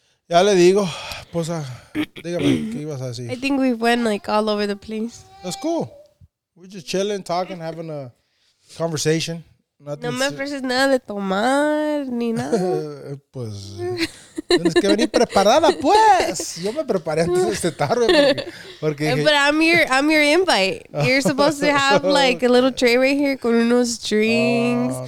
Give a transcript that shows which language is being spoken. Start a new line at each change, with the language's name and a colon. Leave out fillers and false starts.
Spanish: Ya le digo, posa, dígame, ¿qué ibas a decir?
English: I think we went like all over the place. That's cool. We're just chilling, talking, having a conversation. Nothing
Spanish: no me ofreces nada de tomar, ni nada. Pues, tienes que venir preparada, pues. Yo me preparé antes de este tarde. Porque dije,
English: but I'm your invite. You're supposed to have like a little tray right here
Spanish: con unos
English: drinks.